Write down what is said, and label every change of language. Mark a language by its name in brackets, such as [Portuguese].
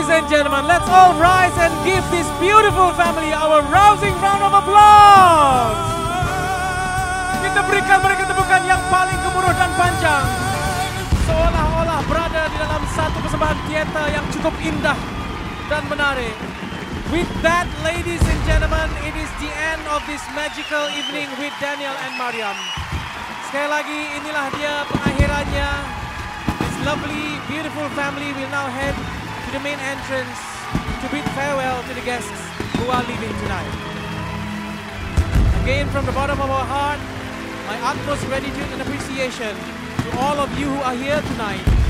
[English] Gentlemen, let's all rise and give this beautiful family our rousing round of applause. [Malay] Kita berikan mereka tepukan yang paling gemuruh dan panjang. Seolah-olah berada di dalam satu kesempatan teater yang cukup indah dan menarik. [English] With that, ladies and gentlemen, it is the end of this magical evening with Daniel and Mariam. [Malay] Sekali lagi, inilah dia pengakhirannya. [English] This lovely, beautiful family will now head the main entrance to bid farewell to the guests who are leaving tonight. Again, from the bottom of our heart, my utmost gratitude and appreciation to all of you who are here tonight.